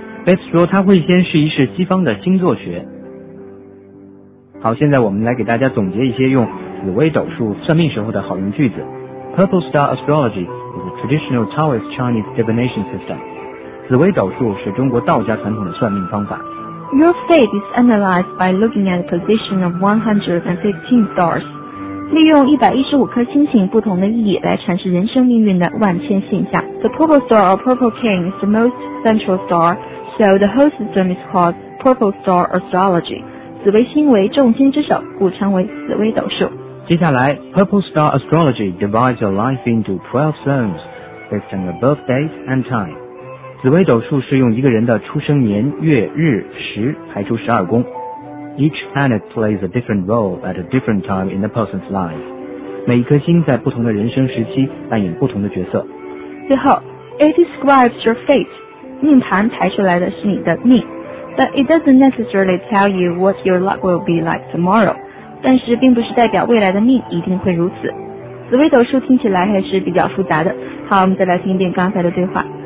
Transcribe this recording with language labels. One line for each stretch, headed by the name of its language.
Chinese: Beth 说他会先试一试西方的星座学。好，现在我们来给大家总结一些用紫微斗数算命时候的好用句子。
English: Purple Star Astrology is a traditional Taoist Chinese divination system.
Chinese: 紫微斗数是中国道家传统的算命方法。
English: Your fate is analyzed by looking at the position of 115 stars.
Chinese: 利用115颗星星不同的意义来阐释人生命运的万千现象。
English: The Purple Star or Purple King is the most central star, so the whole system is called Purple Star Astrology.
Chinese: 紫微星为众星之首，故称为紫微斗数。接下来
English: Purple Star Astrology divides your life into 12 zones based on your birth date and time.
Chinese: 紫微斗数是用一个人的出生年月日时排出十二宫。
English: Each planet plays a different role at a different time in a person's life.
Chinese: 每一颗星在不同的人生时期扮演不同的角色。最后
English: It describes your fate.
Chinese: 命盘排出来的是你的命。
English: But it doesn't necessarily tell you what your luck will be like tomorrow.
Chinese: 但是并不是代表未来的命一定会如此。紫微斗数听起来还是比较复杂的。好，我们再来听一遍刚才的对话。